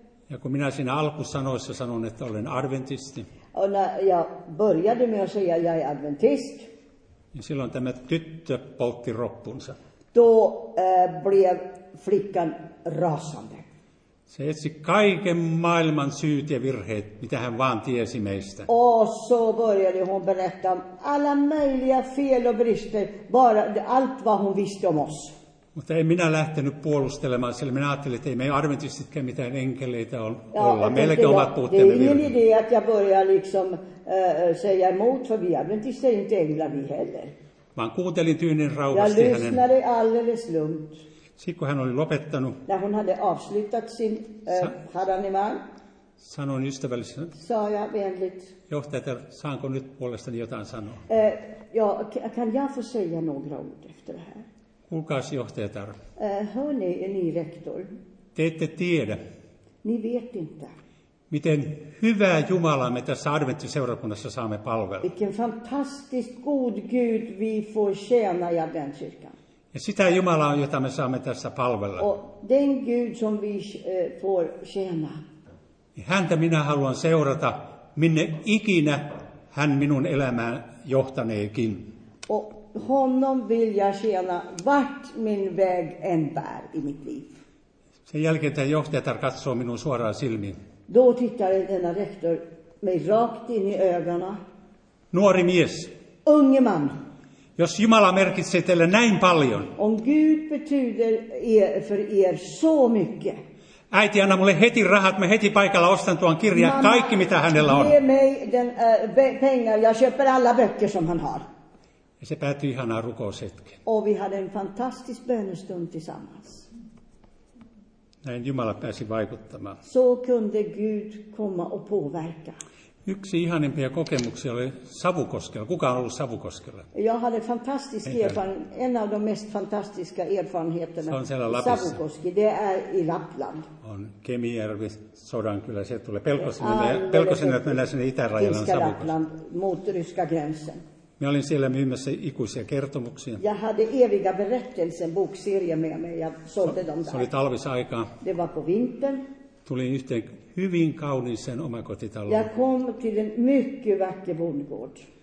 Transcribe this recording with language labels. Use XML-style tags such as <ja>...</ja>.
<fi>Ja kun minä siinä alkusanoissa sanon, että olen adventisti.</fi> <sv>Ja började med att säga jag är adventist.</sv> <fi>Niin silloin tämä tyttö poltti roppunsa.</fi> <sv>Då blev flickan rasande.</sv> <fi>Se etsi kaiken maailman syyt ja virheet, mitä hän vaan tiesi meistä.</fi> <sv>Och så började hon berätta alla möjliga fel och brister, bara allt vad hon visste om oss.</sv> <fi>Mutta ei minä lähtenyt puolustelemaan, sillä minä ajattelin, että ei meidän adventistitkään mitään enkeleitä olla. Meilläkin ovat puutteemme virheitä.</fi> <sv>Det är ingen idé att jag börjar liksom säga emot, för vi adventister är inte änglar vi heller.</sv> <fi>Vaan kuuntelin tyynen rauhasti hänen.</fi> <sv>Jag lyssnade alldeles lugnt.</sv> <fi>Sitten kun hän oli lopettanut.</fi> <sv>När hon hade avslutat sin harangemang.</sv> <fi>Sanoin ystävällisesti.</fi> <sv>Sade jag vänligt.</sv> <fi>Johtaja, että saanko nyt puolestani jotain sanoa?</fi> <sv>Ja, kan jag få säga några ord efter det här?</sv> <fi>Kuulkaas, johtajatar.</fi> <sv>Hörni, niin, rektor.</sv> <fi>Te ette tiedä.</fi> <sv>Niin vet inte.</sv> <fi>Miten hyvää Jumalaa me tässä adventtiseurakunnassa saamme palvella.</fi> <sv>Vilken fantastiskt god Gud vi får tjäna i adventkyrkan.</sv> <fi>Ja sitä Jumalaa, jota me saamme tässä palvella.</fi> <sv>Och den Gud som vi får tjäna.</sv> <fi>Häntä minä haluan seurata, minne ikinä hän minun elämään johtaneekin.</fi> <sv>Och honom vill jag tjäna vart min väg än bär i mitt liv.</sv> <fi>Sen jälkeen tämä johtajatar katsoo minun suoraan silmiin.</fi> <sv>Då tittar denna rektor mig rakt in i ögonen.</sv> <fi>Nuori mies.</fi> <sv>Unge man.</sv> <fi>Jos Jumala merkitsee teille näin paljon.</fi> <sv>Om Gud betyder för er så mycket.</sv> <fi>Äiti, anna mulle heti rahat, mä heti paikalla ostan tuon kirjan,</fi> <sv>mamma,</sv> <fi>kaikki mitä hänellä on.</fi> <sv>Ge mig den pengar, jag köper alla böcker som han har.</sv> <fi>Ja se päättyi ihanaan rukoushetkeen.</fi> <sv>Och vi hade en fantastisk bönestund tillsammans.</sv> <fi>Näin Jumala pääsi vaikuttamaan.</fi> <sv>Så kunde Gud komma och påverka.</sv> <fi>Yksi ihanimpia kokemuksia oli Savukoskella. Kuka on ollut Savukoskella?</fi> <sv>Jag hade fantastisk erfarenhet, en av de mest fantastiska erfarenheterna.</sv> <fi>Se on siellä Lapissa.</fi> <sv>Savukoski, det är i Lappland.</sv> <fi>On Kemijärvi, Sodankylä, se tulee Pelkosenne, että mennään sinne itärajalle</fi> <sv>Savukoskelle. Mot ryska gränsen.</sv> <fi>Minä olin siellä myymässä ikuisia kertomuksia.</fi> <sv>Jag hade eviga berättelsen bokserie med mig. Jag sålde dem där.</sv> <fi>Se oli talvisaikaa.</fi> <sv>Det var på vintern.</sv> <fi>Tulin yhteen hyvin kauniiseen omakotitaloon.</fi> <sv>Jag kom till en mycket vacker bondgård.</sv>